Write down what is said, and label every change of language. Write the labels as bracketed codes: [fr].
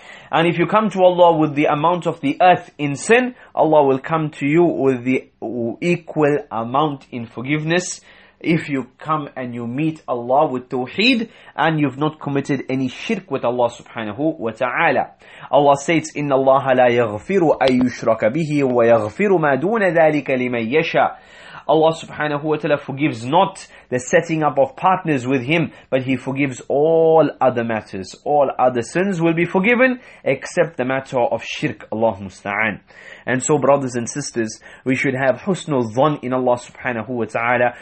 [en] And if you come to Allah with the amount of the earth in sin, Allah will come to you with the equal amount in forgiveness. If you come and you meet Allah with Tawheed and you've not committed any shirk with Allah subhanahu wa ta'ala. Allah says, [ar] إِنَّ اللَّهَ لَا يَغْفِرُ أَن يُشْرَكَ بِهِ وَيَغْفِرُ مَا دُونَ ذَلِكَ لِمَن يَشَى. [en] Allah subhanahu wa ta'ala forgives not the setting up of partners with Him, but He forgives all other matters. All other sins will be forgiven except the matter of shirk. Allah musta'an. And so, brothers and sisters, we should have husnul dhan in Allah subhanahu wa ta'ala.